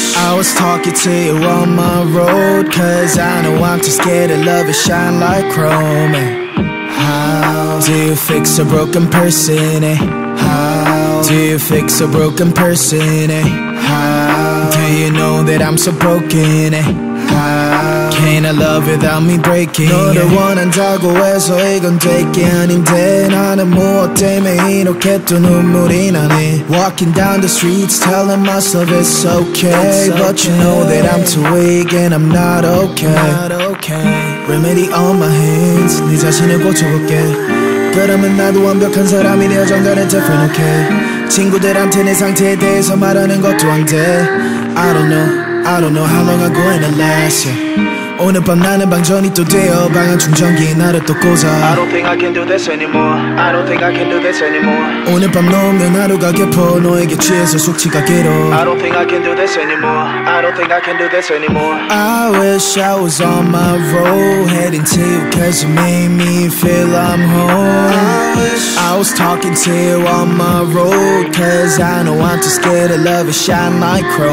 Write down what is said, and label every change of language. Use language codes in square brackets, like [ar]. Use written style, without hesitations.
[en] I was talking to you on my road, cause I know I'm too scared of love, it shine like chrome. How do you fix a broken person, eh? How do you fix a broken person, eh? How do you know that I'm so broken, eh? How can I love without me breaking? [ko] 너를 원한다고 해서 이건 될게 아닌데 나는 무엇 때문에 이렇게 또 눈물이 나네. [en] Walking down the streets telling myself it's okay, it's but okay. You know that I'm too weak and I'm not okay, not okay. Remedy on my hands, [ko] 네 자신을 고쳐볼게. 그러면 나도 완벽한 사람이 되어 정단을 덮어 놓게. 친구들한테 내 상태에 대해서 말하는 것도 안 돼. [en] I don't know how long I'm gonna last, yeah. [ko] 오늘 밤 나는 방전이 또 되어 방안 충전기 나를 또 꽂아. [en] I don't think I can do this anymore, I don't think I can do this anymore. [ko] 오늘 밤 넘는 하루가 깊어 너에게 취해서 숙취가 길어. [en] I don't think I can do this anymore, I don't think I can do this anymore. I wish I was on my road, heading to you cause you made me feel I'm home. I wish I was talking to you on my road, cause I know I'm too scared of love, it shine like chrome.